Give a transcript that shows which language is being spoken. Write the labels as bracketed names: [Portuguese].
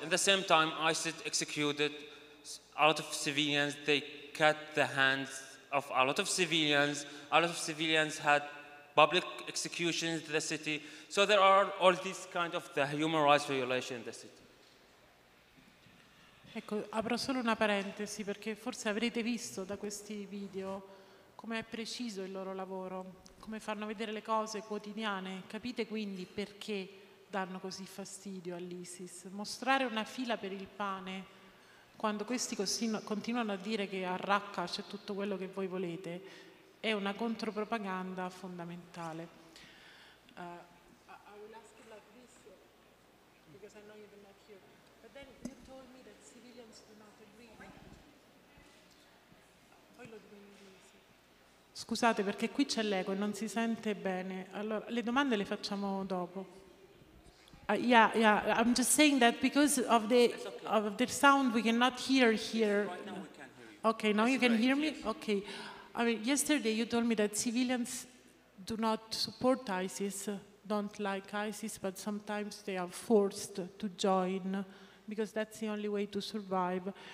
[English] At the same time, ISIS executed a lot of civilians. They cut the hands of a lot of civilians. A lot of civilians had public executions in the city. So there are all these kind of the human rights violations in the city. [Italian] Ecco, apro solo una parentesi perché forse avrete visto da questi video com'è preciso il loro lavoro, come fanno vedere le cose quotidiane. Capite quindi perché danno così fastidio all'ISIS. Mostrare una fila per il pane quando questi continuano a dire che a Raqqa c'è tutto quello che voi volete è una contropropaganda fondamentale. [English] I will ask you like this, because I know you're not here. But then you told me that civilians do not agree. [Italian] Poi lo dico in inglese. Scusate, perché qui c'è l'eco e non si sente bene. Allora, le domande le facciamo dopo. [English] Yeah, I'm just saying that because of the okay. of the sound, we cannot hear here. Right now we can hear you. Okay, now you can hear me? Okay. I mean, yesterday you told me that civilians do not support ISIS, don't like ISIS, but sometimes they are forced to join because that's the only way to survive.